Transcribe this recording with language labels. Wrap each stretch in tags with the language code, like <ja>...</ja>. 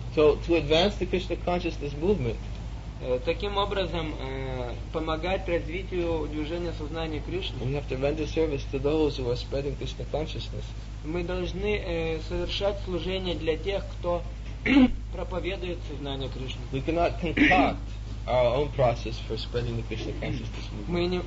<en>So to advance the Krishna consciousness movement.</en> <ru>Таким образом, помогать развитию движения сознания Кришны.</ru> <en>We have to render service to those who are spreading Krishna consciousness.</en> <ru>Мы должны совершать служение для тех, кто проповедует сознание Кришны.</ru> <en>We cannot concoct our own process for spreading the Krishna consciousness movement.</en>